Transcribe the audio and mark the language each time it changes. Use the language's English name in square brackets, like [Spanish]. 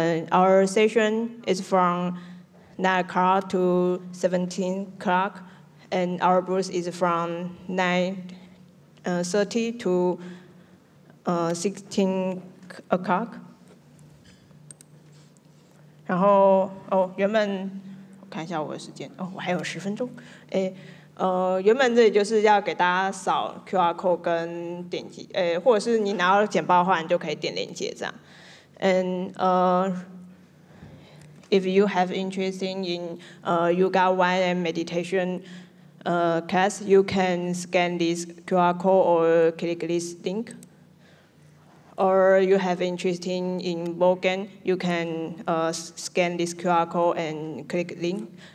[English] Our session is from 9 o'clock to 17 o'clock, and our booth is from 9:30 to 16 o'clock. [Chinese] 然后哦，原本我看一下我的时间哦，我还有十分钟，哎。原本这里就是要给大家扫 QR code 跟点击，或者是你拿到简报的话，你就可以点连接这样。 [English] And if you have interest in yoga, wine, and meditation, class, you can scan this QR code or click this link. Or you have interest in board game, you can scan this QR code and click link.